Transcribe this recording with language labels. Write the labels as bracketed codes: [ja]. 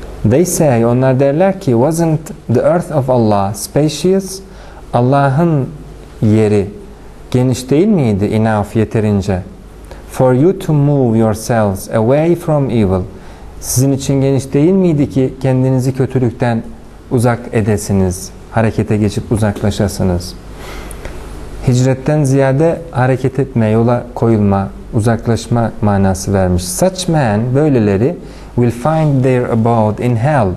[en] They say, [tr] onlar derler ki, [en] wasn't the earth of Allah spacious? [tr] Allah'ın yeri geniş değil miydi enough, yeterince? [en] For you to move yourselves away from evil. [tr] Sizin için geniş değil miydi ki kendinizi kötülükten uzak edesiniz, harekete geçip uzaklaşasınız. Hicretten ziyade hareket etme, yola koyulma, uzaklaşma manası vermiş. [en] Such men, böyleleri, will find their abode in hell.